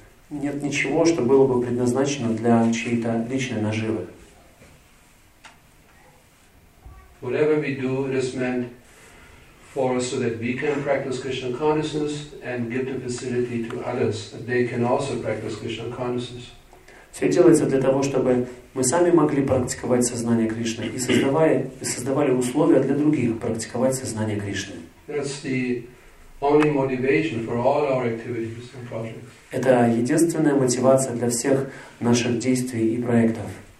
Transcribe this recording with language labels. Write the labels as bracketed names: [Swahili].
[Russian] Нет ничего, что было бы предназначено для чьей-то личной наживы. [English] Whatever we do, it is meant for us so that we can practice Krishna consciousness and give the facility to others that they can also practice Krishna consciousness. [Russian] Все делается для того, чтобы мы сами могли практиковать сознание Кришны и создавали условия для других практиковать сознание Кришны. [English] That's the only motivation for all our activities and projects. [Russian] Это единственная мотивация для всех наших действий и проектов.